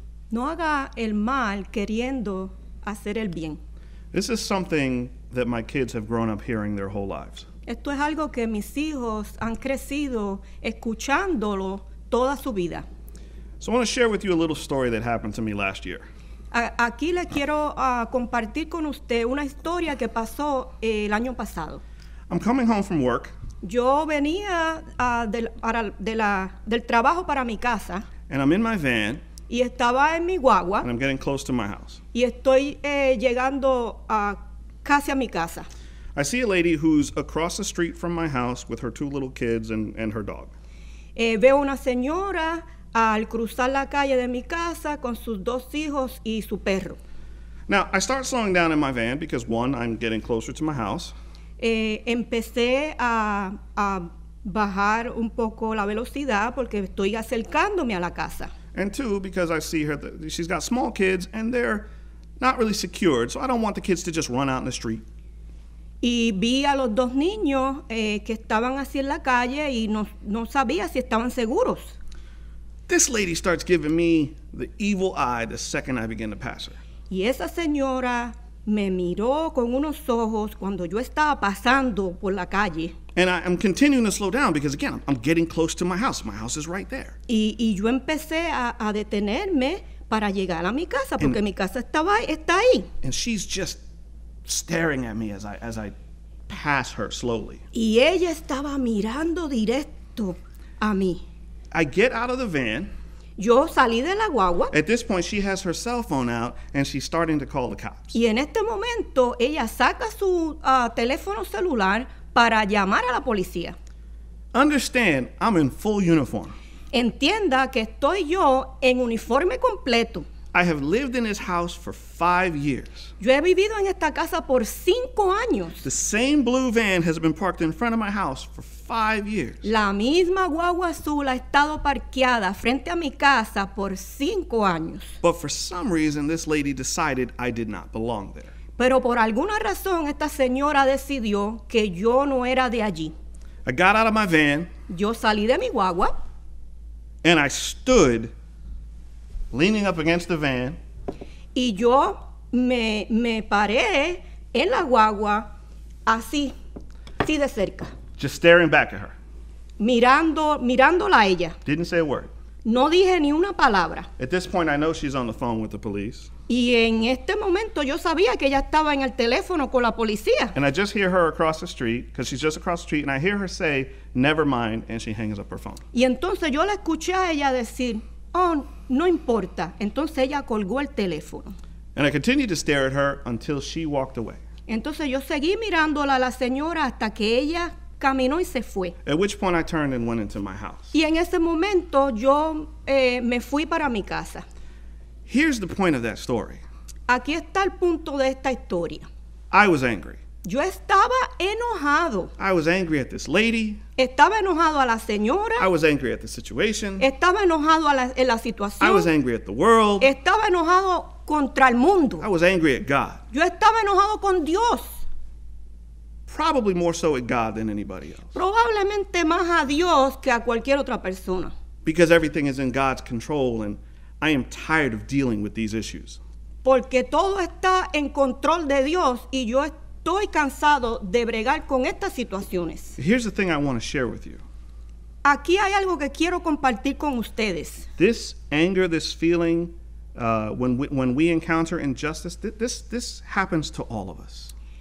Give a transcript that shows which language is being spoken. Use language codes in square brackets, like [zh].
[es] No haga el mal queriendo hacer el bien. [en] This is something that my kids have grown up hearing their whole lives. [es] Esto es algo que mis hijos han crecido escuchándolo toda su vida. [en] So I want to share with you a little story that happened to me last year. [es] Aquí le quiero compartir con usted una historia que pasó el año pasado. [en] I'm coming home from work. [es] Yo venía del trabajo para mi casa. [en] And I'm in my van. [es] Y estaba en mi guagua. [en] And I'm getting close to my house. [es] Y estoy llegando casi a mi casa. [en] I see a lady who's across the street from my house with her two little kids and her dog. [es] Veo una señora al cruzar la calle de mi casa con sus dos hijos y su perro. [en] Now, I start slowing down in my van because, one, I'm getting closer to my house. [es] Empecé a bajar un poco la velocidad porque estoy acercándome a la casa. [en] And two, because I see her, she's got small kids and they're not really secured, so I don't want the kids to just run out in the street. [es] Y vi a los dos niños que estaban así en la calle y no sabía si estaban seguros. [en] This lady starts giving me the evil eye the second I begin to pass her. [es] Y esa señora me miró con unos ojos cuando yo estaba pasando por la calle. [en] And I'm continuing to slow down because, again, I'm getting close to my house. My house is right there. [es] Y yo empecé a detenerme para llegar a mi casa porque mi casa está ahí. [en] And she's just staring at me as I pass her slowly. [es] Y ella estaba mirando directo a mí. [en] I get out of the van. [es] Yo salí de la guagua. [en] At this point, she has her cell phone out, and she's starting to call the cops. [es] Y en este momento, ella saca su teléfono celular para llamar a la policía. [en] Understand, I'm in full uniform. [es] Entienda que estoy yo en uniforme completo. [en] I have lived in this house for 5 years. [es] Yo he vivido en esta casa por 5 años. [en] The same blue van has been parked in front of my house for 5 years. [es] La misma guagua azul ha estado parqueada frente a mi casa por 5 años. [en] But for some reason, this lady decided I did not belong there. [es] Pero por alguna razón, esta señora decidió que yo no era de allí. [en] I got out of my van. [es] Yo salí de mi guagua. [en] And I stood leaning up against the van. [es] Y yo me paré en la guagua así de cerca. [en] Just staring back at her. [es] Mirándola a ella. [en] Didn't say a word. [es] No dije ni una palabra. [en] At this point, I know she's on the phone with the police. [es] Y en este momento yo sabía que ella estaba en el teléfono con la policía. [en] And I just hear her across the street, because she's just across the street, and I hear her say, "Never mind," and she hangs up her phone. [es] Y entonces yo la escuché a ella decir, "Oh, no importa." Entonces ella colgó el teléfono. [en] And I continued to stare at her until she walked away. [es] Entonces yo seguí mirándola a la señora hasta que ella caminó y se fue. [en] At which point I turned and went into my house. [es] Y en ese momento yo me fui para mi casa. [en] Here's the point of that story. [es] Aquí está el punto de esta historia. [en] I was angry. [es] Yo estaba enojado. [en] I was angry at this lady. [es] Estaba enojado a la señora. [en] I was angry at the situation. [es] Estaba enojado en la situación. [en] I was angry at the world. [es] Estaba enojado contra el mundo. [en] I was angry at God. [es] Yo estaba enojado con Dios. [en] Probably more so at God than anybody else. [es] Probablemente más a Dios que a cualquier otra persona. [en] Because everything is in God's control and I am tired of dealing with these issues. [es] Porque todo está en control de Dios y yo estoy cansado de bregar con estas situaciones. [en] Here's the thing I want to share with you. [es] Aquí hay algo que quiero compartir con ustedes. [en] This anger, this feeling, when we encounter injustice, this happens to all of us.